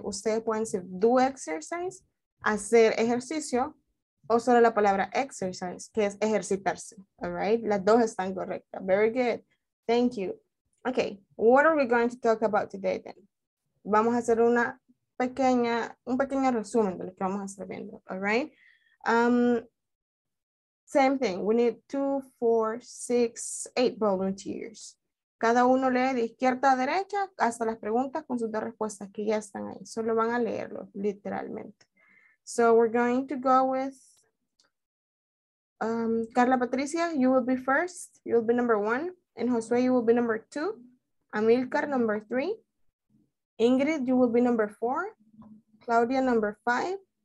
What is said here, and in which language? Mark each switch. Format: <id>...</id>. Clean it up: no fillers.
<es>Ustedes pueden decir</es> <en>do exercise,</en> <es>hacer ejercicio, o solo la palabra exercise, que es ejercitarse.</es> <en>All right.</en> <es>Las dos están correctas.</es> <en>Very good. Thank you. Okay. What are we going to talk about today then?</en> <es>Vamos a hacer un pequeño resumen de lo que vamos a estar viendo.</es> <en>All right. Same thing. We need 2, 4, 6, 8 volunteers.</en> <es>Cada uno lee de izquierda a derecha hasta las preguntas con sus dos respuestas que ya están ahí. Solo van a leerlo, literalmente.</es> <en>So we're going to go with Carla Patricia, you will be first. You will be number one. And Josue, you will be number two. Amilcar, number three. Ingrid, you will be number four. Claudia, number five.</en>